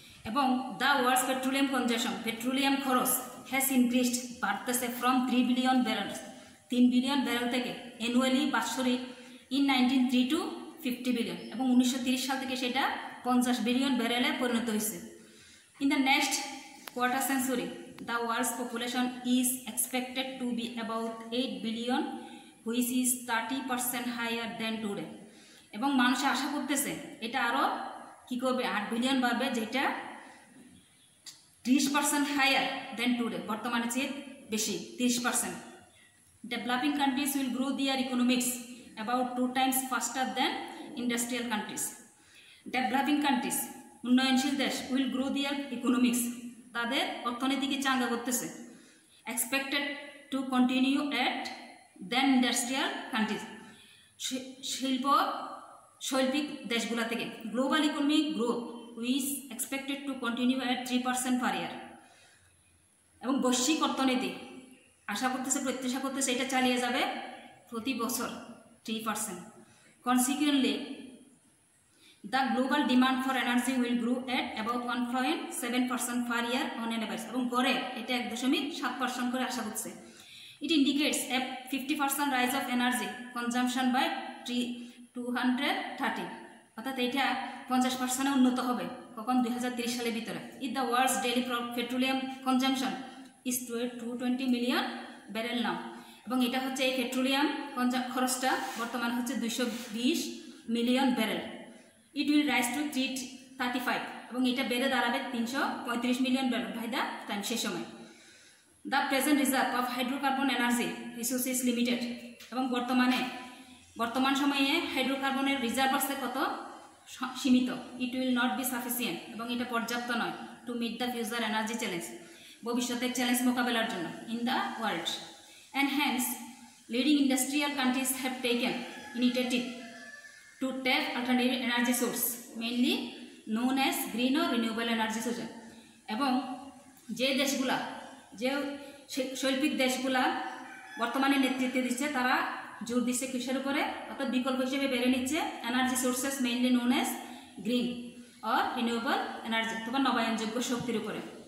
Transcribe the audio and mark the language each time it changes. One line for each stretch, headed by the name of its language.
English: এবং the world's petroleum consumption
Bangla: petroleum খরচ
English: has increased
Bangla: বাড়তেছে
English: from 3 billion barrels
Bangla: 3 বিলিয়ন ব্যারেল থেকে
English: annually
Bangla: বাৎসরিক
English: in 1932-50 billion,
Bangla: এবং 1930 সাল থেকে সেটা 50 বিলিয়ন ব্যারেলে পরিণত হয়েছে।
English: In the next quarter century the world's population is expected to be about 8 billion, which is 30% higher than today.
Bangla: এবং মানুষ আশা করতেছে এটা আরো কি করবে 8 বিলিয়ন বাড়বে যেটা
English: 30% higher than today.
Bangla: বর্তমানে চেয়ে বেশি 30%.
English: Developing countries will grow their economics about 2 times faster than industrial countries. Developing countries,
Bangla: উন্নয়নশীল দেশ,
English: will grow their economics.
Bangla: তাদের অর্থনীতিকে চাঙ্গা করতেছে.
English: Expected to continue at than industrial countries.
Bangla: শিল্প শৈল্পিক দেশগুলো থেকে.
English: Global economic growth, which is expected to continue at 3% per year.
Bangla: এবং বৈশ্বিক অর্থনীতি আশা করতেছে প্রত্যাশা করতেছে এটা চালিয়ে যাবে প্রতি বছর 3%.
English: Consequently, the global demand for energy will grow at about 1.7% per year on an average.
Bangla: এবং গড়ে এটা 1.7% করে আশা করছে.
English: It indicates a 50% rise of energy consumption by 2030.
Bangla: অর্থাৎ এটা 50% উন্নত হবে কখন 2030 সালের ভিতরে.
English: If the world's daily petroleum consumption is 220 million barrel now.
Bangla: এবং এটা হচ্ছে এই পেট্রোলিয়াম খরচটা বর্তমান হচ্ছে 220 million barrel.
English: it will rise to 335
Bangla: এবং এটা বেড়ে দাঁড়াবে 335 million barrel
English: by the time
Bangla: সে সময়।
English: the present reserve of hydrocarbon energy resources limited
Bangla: এবং বর্তমানে বর্তমান সময়ে হাইড্রোকার্বনের রিজার্ভ আছে কত সীমিত. It will not be sufficient এবং এটা পর্যাপ্ত নয় to meet the future energy challenge ভবিষ্যতের চ্যালেঞ্জ মোকাবেলার জন্য in the world.
English: And hence, leading industrial countries have taken initiative to tap alternative energy source, mainly known as green or renewable energy sources.
Bangla: এবং যে দেশগুলা যে শৈল্পিক দেশগুলা বর্তমানে নেতৃত্বে দিচ্ছে তারা জোর দিচ্ছে কৃষির উপরে অর্থাৎ বিকল্প হিসেবে বেড়ে নিচ্ছে
English: energy sources mainly known as green or renewable energy
Bangla: অথবা নবায়নযোগ্য শক্তির উপরে.